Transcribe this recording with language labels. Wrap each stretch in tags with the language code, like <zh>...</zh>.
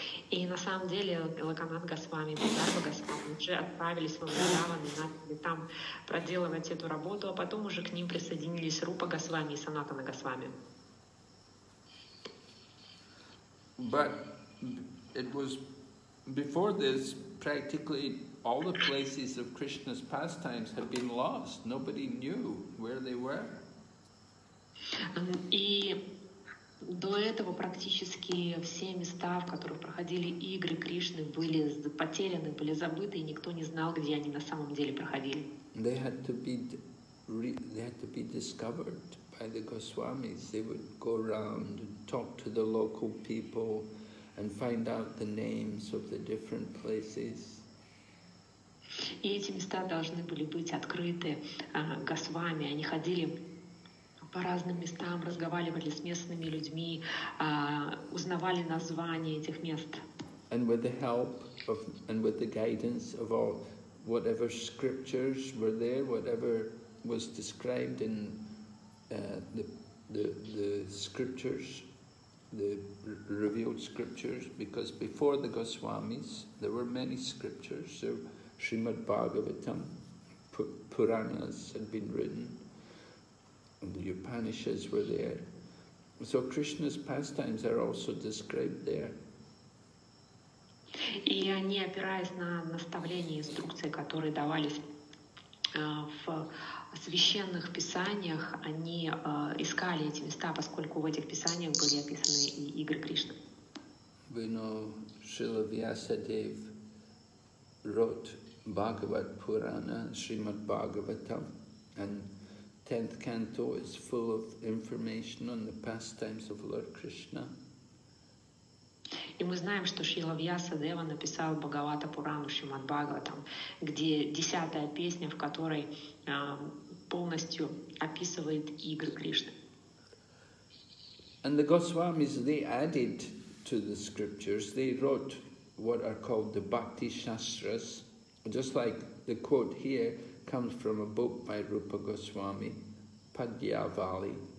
<ru>И на самом деле Локанат Госвами, Бхагарба Госвами уже отправились во Вриндаван и начали там проделывать эту работу, а потом уже к ним присоединились Рупа Госвами и Санатана Госвами.</ru> <en>But it was before this, practically all the places of Krishna's pastimes had been lost. Nobody knew where they were. И</en> <ru>До этого практически все места, в которых проходили игры Кришны, были потеряны, были забыты, и никто не знал, где они на самом деле проходили.</ru> <en>They had to be discovered by the Goswamis. They would go around and talk to the local people and find out the names of the different places.</en> <ru>И эти места должны были быть открыты Госвами. Они ходили по разным местам, разговаривали с местными людьми, узнавали названия этих мест.</ru> <en>And with the help of, and with the guidance of all, whatever scriptures were there, whatever was described in the scriptures, the revealed scriptures, because before the Goswamis, there were many scriptures, so Srimad Bhagavatam, Puranas had been written, and the Upanishads were there. So Krishna's pastimes are also described there.</en> <ru>И они, опираясь на наставления и инструкции, которые давались в священных писаниях, они искали эти места, поскольку в этих писаниях были описаны и игры Кришны.</ru> <en>We know Srila Vyasadev wrote Bhagavad Purana, Srimad Bhagavatam, and 10th canto is full of information on the pastimes of Lord Krishna.</en> <ru>И мы знаем, что Шрила Вьясадева написал Бхагавата Пурану Шримад Бхагаватам, где десятая песня, в которой полностью описывает игры Кришны.</ru> <en>And the Goswamis, they added to the scriptures, they wrote what are called the Bhakti Shastras, just like the quote here comes from a book by Rupa Goswami, Padyavali.</en>